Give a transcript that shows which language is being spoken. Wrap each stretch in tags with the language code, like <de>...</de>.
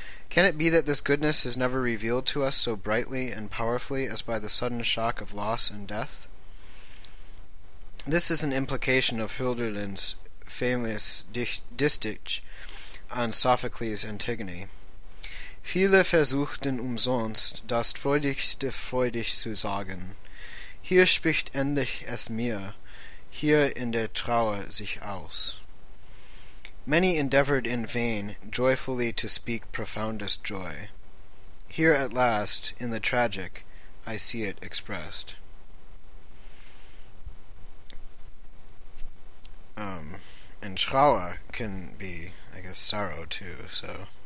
<en>Can it be that this goodness is never revealed to us so brightly and powerfully as by the sudden shock of loss and death? This is an implication of Hölderlin's famous distich on Sophocles' Antigone.</en> <de>Viele versuchten umsonst, das Freudigste freudig zu sagen. Hier spricht endlich es mir, hier in der Trauer sich aus.</de> <en>Many endeavored in vain, joyfully to speak profoundest joy. Here at last, in the tragic, I see it expressed. And Trauer can be, I guess, sorrow too, so...</en>